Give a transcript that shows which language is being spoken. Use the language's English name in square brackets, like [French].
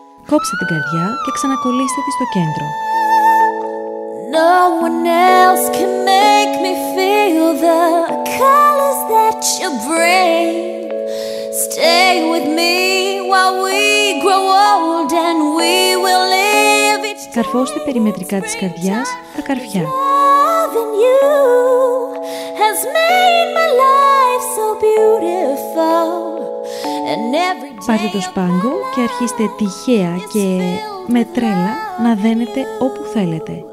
[Greek] Κόψτε την καρδιά και ξανακολλήστε τη στο κέντρο. [English] No one else can make me feel the colors that you bring. Stay with me while we grow old and we will live each day. [Greek] Καρφώστε περιμετρικά της καρδιάς τα καρφιά. [English] Loving you has made my life so beautiful. And every day. [Greek] Πάρτε το σπάγκο και αρχίστε τυχαία και με τρέλα να δένετε όπου θέλετε.